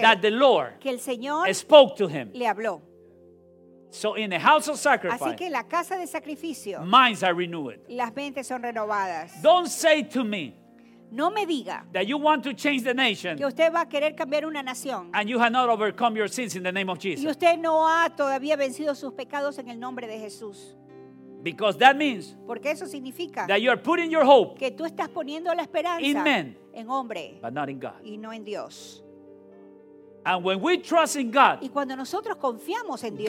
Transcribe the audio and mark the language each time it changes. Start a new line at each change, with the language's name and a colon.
English: that the Lord
Spanish: que el Señor
English: spoke to him.
Spanish: Le habló.
English: So in the house of sacrifice,
Spanish: así que en la casa de sacrificio,
English: minds are renewed.
Spanish: Las mentes son renovadas.
English: Don't say to me,
Spanish: no me diga,
English: that you want to change the nation,
Spanish: que usted va a querer cambiar una nación,
English: and you have not overcome your sins in the name of Jesus.
Spanish: Y usted no ha todavía vencido sus pecados en el nombre de Jesús.
English: Because that means,
Spanish: porque eso significa,
English: that you are putting your hope,
Spanish: que tú estás poniendo la esperanza,
English: in men,
Spanish: en hombre,
English: but not in God,
Spanish: y no en Dios.
English: And when we trust in God,
Spanish: y cuando nosotros confiamos en Dios,